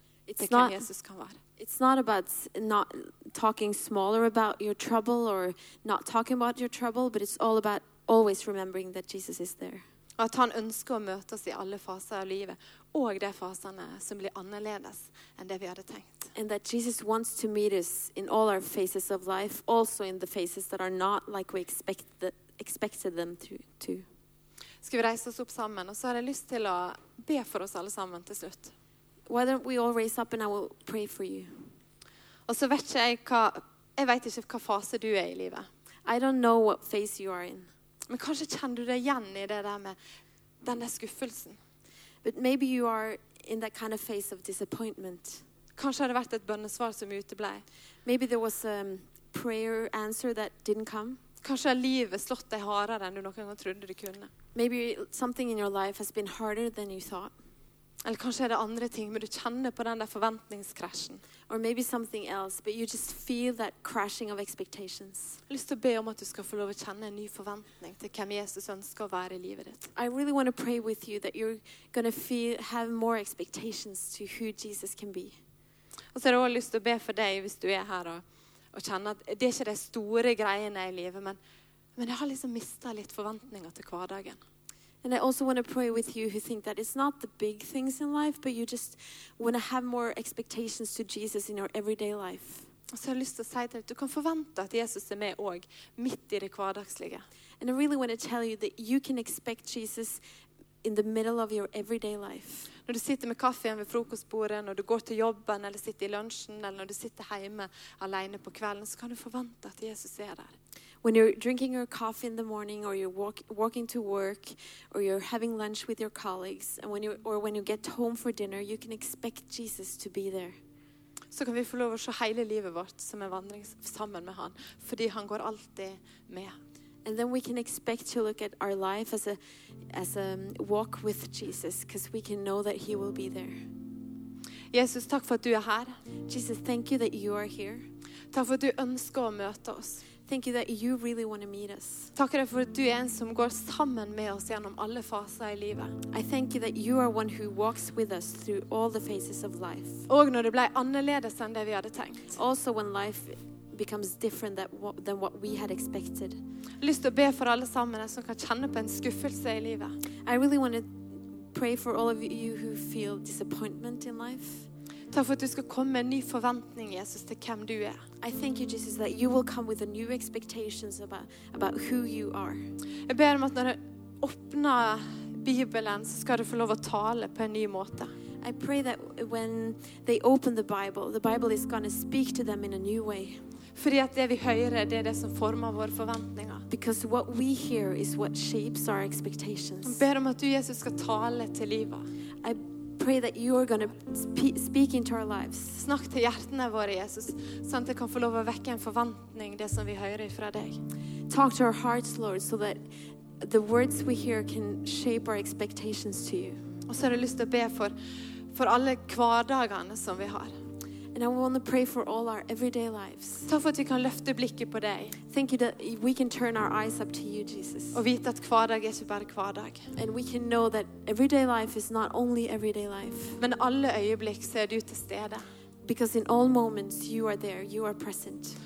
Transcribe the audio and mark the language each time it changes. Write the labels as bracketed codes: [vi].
[en] It's not about not talking smaller about your trouble or not talking about your trouble, but it's all about always remembering that Jesus is there. [sv] Att han önskar möta oss i alla faser av livet och de faserna som blir annorlunda än det vi hade tänkt. [en] And that Jesus wants to meet us in all our phases of life, also in the phases that are not like we expected them to. [sv] Ska vi resa oss upp samman och så har jag lust till att be för oss alla samman till slut. [en] Why don't we all raise up and I will pray for you. [sv] Och så vet jag jag vet inte vilken fas du är i livet. [en] I don't know what phase you are in. [sv] Men kanske känner du dig igen i det där med den där skuffelsen. [en] But maybe you are in that kind of phase of disappointment. [sv] Kanske har det varit ett bönesvar som uteblev. [en] Maybe there was a prayer answer that didn't come. [sv] Kanske har livet slått dig hårdare än du någon gång trodde det kunde. [en] Maybe something in your life has been harder than you thought. [sv] Eller kanske är det andra ting, men du känner på den där förväntningskraschen. [en] Or maybe something else, but you just feel that crashing of expectations. [sv] Jag vill be om att du ska få lov att känna en ny förväntning till vem Jesus önskar att vara i livet ditt. [en] I really want to pray with you that you're going to have more expectations to who Jesus can be. [sv] Och så har jag lust att be för dig, hvis du är här och känner att det är inte de stora grejerna i livet, men jag har liksom mistat lite förväntningar till vardagen. [en] And I also want to pray with you who think that it's not the big things in life, but you just want to have more expectations to Jesus in your everyday life. [sv] Så jag har lust att säga att du kan förvänta att Jesus är med och mitt i det vardagsliga. [en] And I really want to tell you that you can expect Jesus in the middle of your everyday life. [sv] När du sitter med kaffe vid frukostbordet, när du går till jobben eller sitter i lunchen, eller när du sitter hemma alene på kvällen, så kan du förvänta att Jesus är där. [en] When you're drinking your coffee in the morning, or you're walking to work, or you're having lunch with your colleagues, and when you get home for dinner, you can expect Jesus to be there. [sv] Så kan vi få lov att se hela livet vårt som en vandring samman med han, fördi han går alltid med. [en] And then we can expect to look at our life as a walk with Jesus, because we can know that he will be there. [sv] Jesus, tack för att du är här. [en] Jesus, thank you that you are here. [sv] Tack för att du önskar att möta oss. [en] Thank you that you really want to meet us. [sv] Tack för att du är en som går samman med oss genom alla faser I livet. [en] I thank you that you are one who walks with us through all the phases of life. [sv] Och när det blir annorlunda än det vi hade tänkt. [en] Also when life becomes different than what we had expected. [sv] Lyst att be för alla samman som kan känna på en skuffelse I livet. [en] I really want to pray for all of you who feel disappointment in life. [sv] Tack för att du ska komma med en ny förväntning, Jesus, till vem du är. [en] I thank you, Jesus, that you will come with a new expectations about who you are. [sv] Jag ber om att när du öppnar Bibeln så ska du få lov att tala på en ny måte. [en] I pray that when they open the Bible is going to speak to them in a new way. [sv] För att det vi hör är det som formar våra förväntningar. [en] Because what we hear is what shapes our expectations. [sv] Jag ber om att du, Jesus, ska tala till livet. [en] I pray that you are going to speak into our lives. [sv] Snack till hjärtena våra, Jesus, så att det kan få lov att väcka en förväntning det som vi hör ifrån dig. [en] Talk to our hearts, Lord, so that the words we hear can shape our expectations to you. [sv] Och så har jag lust att be för alla vardagarna som vi har. [en] And I want to pray for all our everyday lives. [sv] Tack för att vi kan lyfta blicken på dig. [en] Thank you that we can turn our eyes up to you, Jesus. [sv] Och veta att vardag är bara vardag. [en] And we can know that everyday life is not only everyday life. [sv] Men alla ögonblick så är du till stede. [en] Because in all moments you are there, you are present.